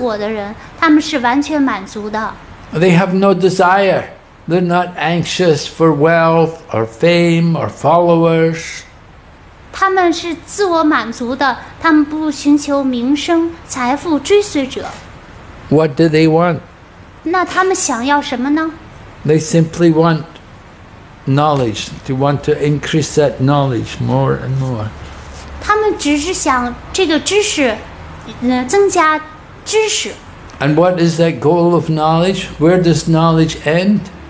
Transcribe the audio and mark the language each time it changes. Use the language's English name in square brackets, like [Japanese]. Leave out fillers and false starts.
[Chinese] 而那些真正觉悟了、真正的自我的人，他们是完全满足的。 [English] They have no desire. They're not anxious for wealth or fame or followers. [Chinese] 他们是自我满足的，他们不寻求名声、财富、追随者。 [English] What do they want? [Chinese] 那他们想要什么呢? [English] They simply want knowledge. They want to increase that knowledge more and more. [Chinese] 他们只是想这个知识，增加知识。 [English] And what is that goal of knowledge? Where does knowledge end?